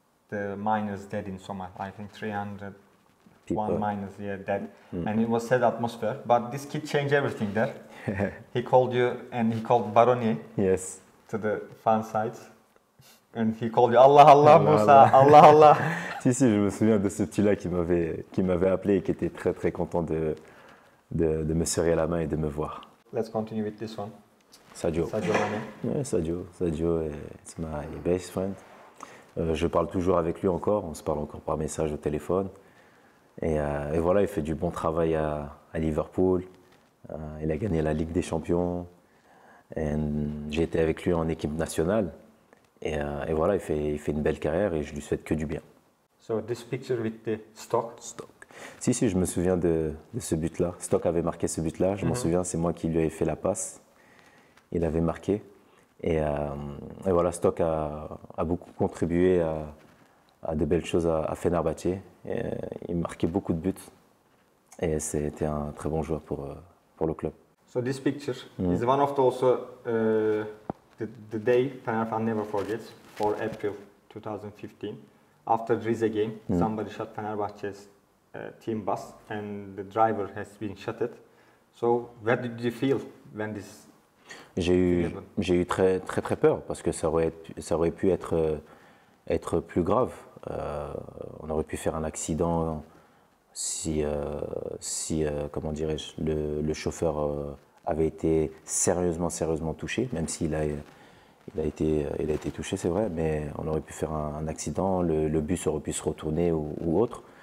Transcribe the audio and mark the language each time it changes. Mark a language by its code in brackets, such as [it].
[en] The miners dead in Soma, I think 301 miners, dead. And it was sad atmosphere, but this kid changed everything there. He called you and he called Baronier to the fan sites. And he called you, Allah Allah Moussa, Allah Allah. [fr] Si, si, je me souviens de ce petit-là qui m'avait appelé et qui était très très content de me serrer la main et de me voir. [en] Let's continue with this one. Sadio. Sadio Mané. [fr] Ouais, Sadio. Sadio, [en] it's my best friend. [fr] Je parle toujours avec lui encore. On se parle encore par message au téléphone. Et voilà, il fait du bon travail à Liverpool. Il a gagné la Ligue des Champions. Et j'ai été avec lui en équipe nationale. Et voilà, il fait une belle carrière et je lui souhaite que du bien. [en] So this picture with the Stock. [fr] Stock. Si, si, je me souviens de ce but-là. Stock avait marqué ce but-là. Je m'en souviens, c'est moi qui lui ai fait la passe. Il avait marqué et voilà, Stock a beaucoup contribué à de belles choses à Fenerbahçe. Il marquait beaucoup de buts et c'était un très bon joueur pour le club. [en] So this picture is one of the also the day Fenerbahçe never forgets for April 2015. After Rize game, somebody shot Fenerbahçe's team bus and the driver has been shot it. So what did you feel when this? [fr] J'ai eu très très très peur parce que ça aurait pu être plus grave. On aurait pu faire un accident si, comment dirais-je, le chauffeur avait été sérieusement touché, même s'il a, il a été touché, c'est vrai, mais on aurait pu faire un accident, le bus aurait pu se retourner ou autre.